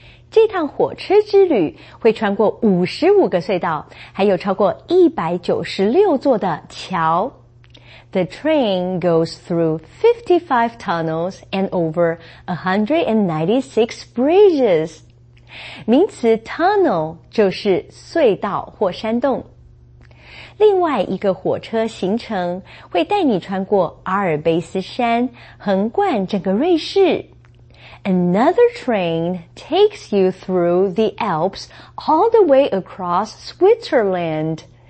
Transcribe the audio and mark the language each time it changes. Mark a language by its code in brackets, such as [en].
[zh] 这趟火车之旅会穿过55个隧道，还有超过196座的桥。 [en] The train goes through 55 tunnels and over 196 bridges. [zh] 名词 tunnel 就是隧道或山洞。另外一个火车行程会带你穿过阿尔卑斯山，横贯整个瑞士。 [en] Another train takes you through the Alps all the way across Switzerland.